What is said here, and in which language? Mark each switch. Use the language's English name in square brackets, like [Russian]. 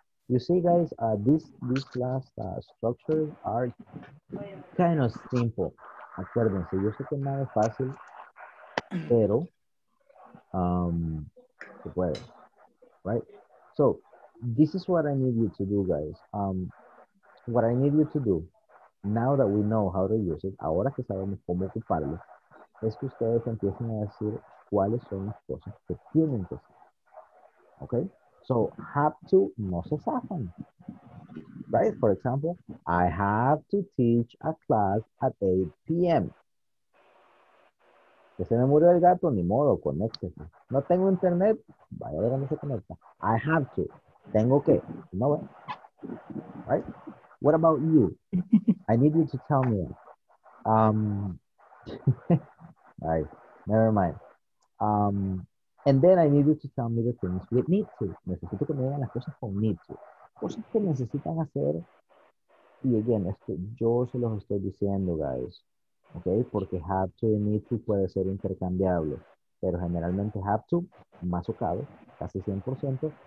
[English] You see, guys, these last structures are kind of simple. [Spanish] Acuérdense, yo sé que nada es fácil, pero se puede. [English] Right? So, this is what I need you to do, guys. What I need you to do, now that we know how to use it, [Spanish] ahora que sabemos cómo ocuparlo, es que ustedes empiecen a decir cuáles son las cosas que tienen que hacer. Okay? So, have to, no se zafan. Right? [English] For example, I have to teach a class at 8 p.m. [Spanish] Que se me murió el gato, ni modo, conéctese. No tengo internet, vaya a ver dónde se conecta. [English] I have to. [Spanish] Tengo que. No, [English] right? What about you? I need you to tell me. All right. Never mind. And then I need you to tell me the things we need to. [Spanish] Necesito que me digan las cosas con need to. Cosas que necesitan hacer. Y again, esto yo se los estoy diciendo, guys. Okay? Porque have to y need to puede ser intercambiable. Pero generalmente have to, más socado, casi 100%.